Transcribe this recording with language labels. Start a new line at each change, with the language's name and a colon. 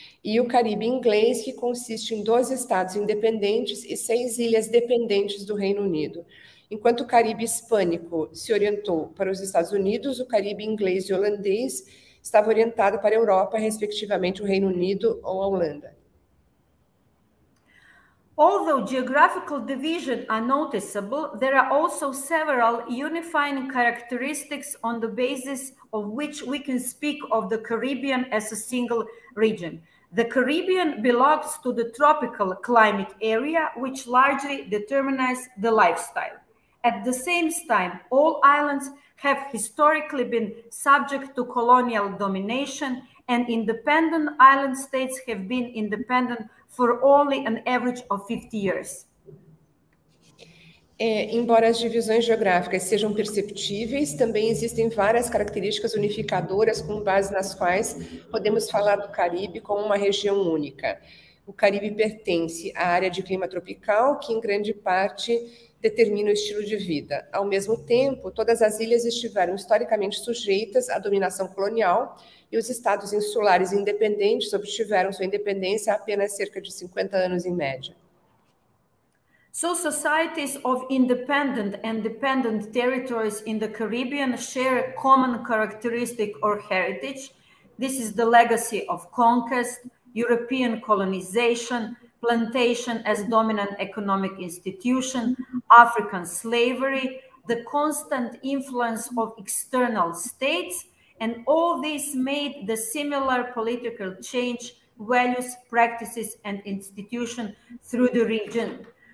Portuguese: E o Caribe inglês, que consiste em 12 estados independentes e 6 ilhas dependentes do Reino Unido. Enquanto o Caribe hispânico se orientou para os Estados Unidos, o Caribe inglês e holandês estava orientado para a Europa, respectivamente o Reino Unido ou a Holanda.
English: Although geographical divisions are noticeable, there are also several unifying characteristics on the basis of which we can speak of the Caribbean as a single region. The Caribbean belongs to the tropical climate area, which largely determines the lifestyle. At the same time, all islands have historically been subject to colonial domination, and independent island states have been independent for only an average of 50 years.
Portuguese: É, embora as divisões geográficas sejam perceptíveis, também existem várias características unificadoras com base nas quais podemos falar do Caribe como uma região única. O Caribe pertence à área de clima tropical, que em grande parte determina o estilo de vida. Ao mesmo tempo, todas as ilhas estiveram historicamente sujeitas à dominação colonial e os estados insulares independentes obtiveram sua independência apenas cerca de 50 anos em média.
English: So societies of independent and dependent territories in the Caribbean share a common characteristic or heritage. This is the legacy of conquest, European colonization, plantation as dominant economic institution, African slavery, the constant influence of external states, and all this made the similar political change, values, practices, and institutions through the region.